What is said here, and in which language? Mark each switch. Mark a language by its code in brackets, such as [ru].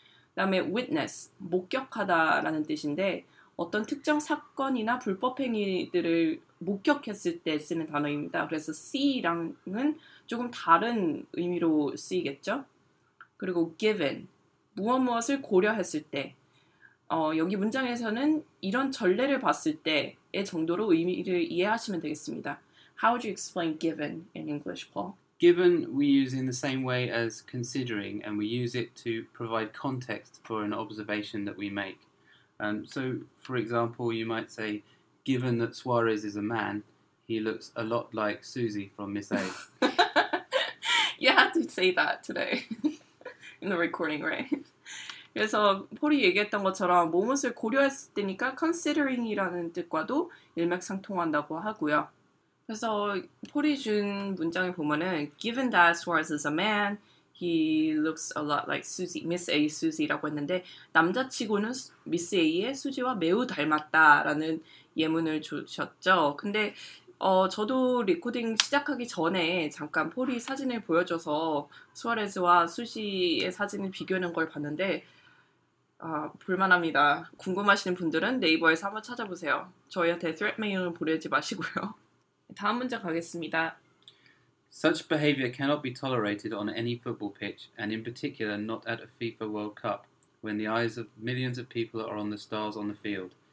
[ko] 그 다음에 witness, 목격하다 라는 뜻인데 어떤 특정 사건이나 불법 행위들을 목격했을 때 쓰는 단어입니다. 그래서 see랑은 조금 다른 의미로 쓰이겠죠. 그리고 given, 무엇무엇을 고려했을 때 여기 문장에서는 이런 전례를 봤을 때의 정도로 의미를 이해하시면 되겠습니다. [en] How would you explain given in English, Paul? Given we use in the same way as considering and we use it to provide context for an observation that we make. So, for example, you might say, given that Suarez is a man, he looks a lot like Susie from Miss A. You have to say that today. In the recording, right? [ko] 그래서 폴이 얘기했던 것처럼 무엇을 고려했을 때니까 considering이라는 뜻과도 일맥상통한다고 하고요. 그래서 폴이 준 문장을 보면은 [en] given that Suarez is a man, he looks a lot like Susie, [ko] Miss A, Susie라고 했는데 남자치고는 Miss A의 수지와 매우 닮았다라는 예문을 주셨죠. 근데 저도 리코딩 시작하기 전에 잠깐 폴이 사진을 보여줘서 수아레즈와 수시의 사진을 비교하는 걸 봤는데 불만합니다. 궁금하시는 분들은 네이버에서 한번 찾아보세요. 저희한테 threat mail을 보내지 마시고요. 다음 문제 가겠습니다. [en] Such behavior cannot be tolerated on any football pitch, and in particular not at a FIFA World Cup, when the eyes of millions of people are on the stars on the field.